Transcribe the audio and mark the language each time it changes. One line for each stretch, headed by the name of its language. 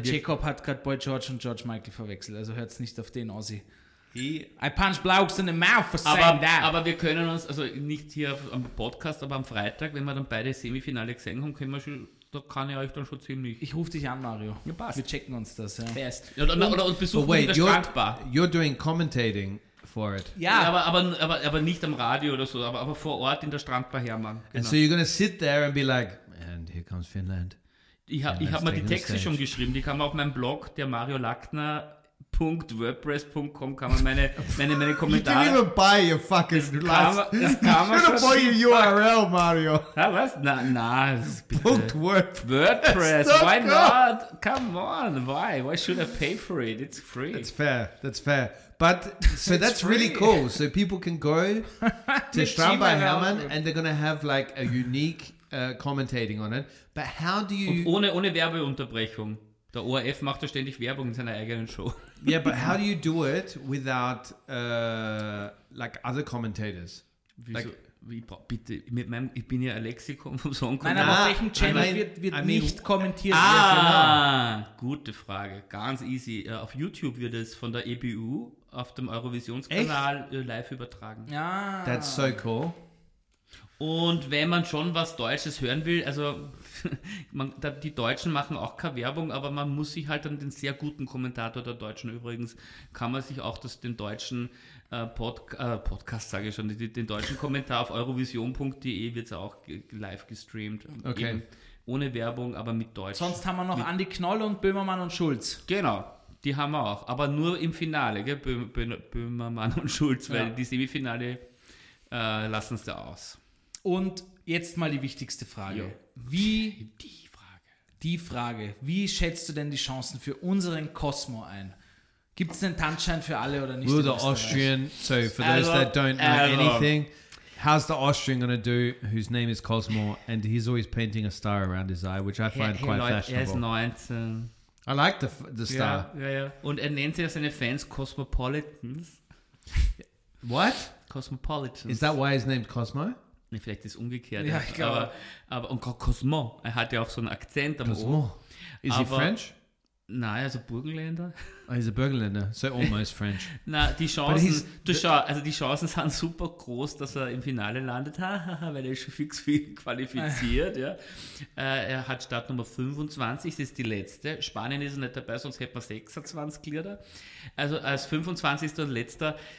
German: Der Jacob hat gerade Boy George und George Michael verwechselt, also hört es nicht auf den Aussie.
English: I punch blokes in the mouth for saying that.
German: Aber wir können uns, also nicht hier am Podcast, aber am Freitag, wenn wir dann beide Semifinale gesehen haben, können wir schon, da kann ich euch dann schon ziemlich. Ich rufe dich an, Mario. Ja, passt. Wir checken uns das. Ja. Fest. Ja, oder besuchen wir das Strandbar.
English: You're doing commentating for it.
German: Ja, ja aber nicht am Radio oder so, aber vor Ort in der Strandbar Hermann. Genau.
English: And so you're gonna sit there and be like, and here comes Finland.
German: Ich hab mir die Texte schon geschrieben, die kann man auf meinem Blog, der Mario Lackner. .wordpress.com kann man meine Kommentare.
English: You didn't even buy your fucking
German: das last. Kann man
English: you should have bought your URL, Mario.
German: Ja, was? Na, bitte.
English: .wordpress. Why not? Come on. Why? Why should I pay for it? It's free. That's fair. But so that's really cool. So people can go to Strandbar Hermann and they're going to have like a unique commentating on it. But how do you.
German: Und ohne Werbeunterbrechung. Der ORF macht ja ständig Werbung in seiner eigenen Show.
English: Yeah, but how do you do it without like other commentators?
German: Wieso? Like, bitte, mit meinem, ich bin ja ein Lexikon vom Song. Nein, aber auf welchem Channel wird nicht kommentiert? Ah, genau. Gute Frage. Ganz easy. Auf YouTube wird es von der EBU auf dem Eurovisionskanal live übertragen. Ja.
English: That's so cool.
German: Und wenn man schon was Deutsches hören will, also die Deutschen machen auch keine Werbung, aber man muss sich halt dann den sehr guten Kommentator der Deutschen übrigens, kann man sich auch den deutschen Podcast, sage ich schon, den deutschen Kommentar auf eurovision.de wird es auch live gestreamt. Okay. Eben ohne Werbung, aber mit Deutsch. Sonst haben wir noch Andi Knoll und Böhmermann und Schulz. Genau. Die haben wir auch, aber nur im Finale, gell? Böhmermann und Schulz, weil die Semifinale lassen es da aus. Und jetzt mal die wichtigste Frage. Wie, die Frage. Wie schätzt du denn die Chancen für unseren Cosmo ein? Gibt es einen Tanzschein für alle oder nicht?
English: Will the Austrian, so for those that don't know anything, how's the Austrian going to do, whose name is Cosmo, and he's always painting a star around his eye, which I find quite fashionable.
German: Er ist 19.
English: I like the star.
German: Ja. Und er nennt sich seine Fans Cosmopolitans.
English: What? Cosmopolitans. Is that why he's named Cosmo?
German: Nee, vielleicht ist es umgekehrt. Ja, ich glaube. Aber und Cosmo, er hat ja auch so einen Akzent am
English: Cosmo. Ohr. Is he French?
German: Nein, also Burgenländer.
English: Oh, he's a Burgenländer, so almost French.
German: Na, die Chancen, die Chancen sind super groß, dass er im Finale landet, weil er ist schon fix qualifiziert. Ja. Er hat Startnummer 25, das ist die letzte. Spanien ist nicht dabei, sonst hätte man 26 Lieder. Also als 25. und letzter.